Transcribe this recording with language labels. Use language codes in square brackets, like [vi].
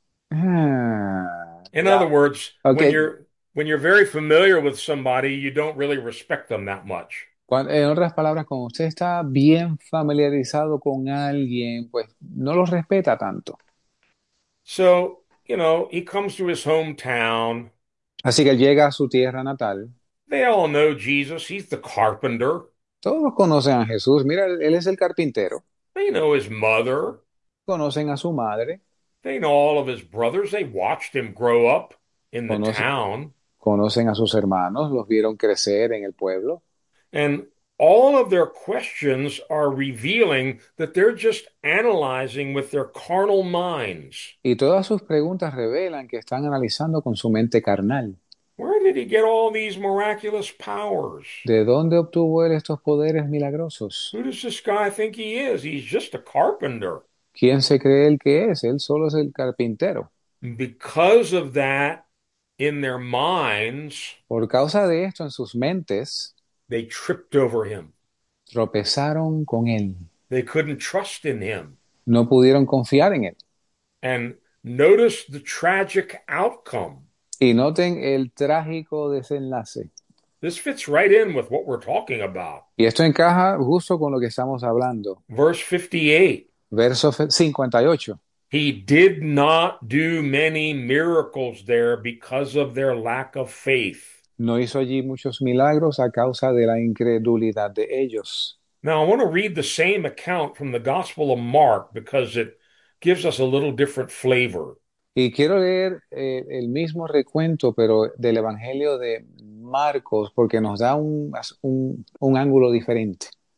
[en] In other words, when you're very familiar with somebody, you don't really respect them that much. [es] En otras palabras, cuando usted está bien familiarizado con alguien, pues no lo respeta tanto. [en] So, you know, he comes to his hometown. [es] Así que él llega a su tierra natal. [en] They all know Jesus. He's the carpenter. [es] Todos conocen a Jesús. Mira, él es el carpintero. [en] They know his mother. [es] Conocen a su madre. [en] They know all of his brothers. They watched him grow up in the [es] Conoce, [en] town. [es] conocen a sus hermanos, los vieron crecer en el pueblo. [en] And all of their questions are revealing that they're just analyzing with their carnal minds. [es] Y todas sus preguntas revelan que están analizando con su mente carnal. [en] Where did he get all these miraculous powers? [es] ¿De dónde obtuvo él estos poderes milagrosos? [en] Who does this guy think he is? He's just a carpenter. [es] ¿Quién se cree él que es? Él solo es el carpintero. [en] Because of that, in their minds, [es] Por causa de esto en sus mentes, [en] they tripped over him. [es] tropezaron con él. [en] They couldn't trust in him. [es] No pudieron confiar en él. [en] And notice the tragic outcome. [es] Y noten el trágico desenlace. [en] This fits right in with what we're talking about. [es] Y esto encaja justo con lo que estamos hablando. [en] Verse 58. [es] Verso 58. [en] He did not do many miracles there because of their lack of faith. [es] No hizo allí muchos milagros a causa de la incredulidad de ellos. [en] Now, I want to read the same account from the Gospel of Mark because it gives us a little different flavor. [es] Y quiero leer el mismo recuento, pero del Evangelio de Marcos, porque nos da un ángulo diferente.